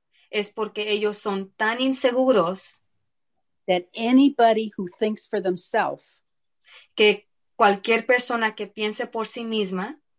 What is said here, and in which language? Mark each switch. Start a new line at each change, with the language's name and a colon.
Spanish: Es porque ellos son tan inseguros.
English: That anybody who thinks for themselves.
Spanish: Que cualquier persona que piense por sí misma.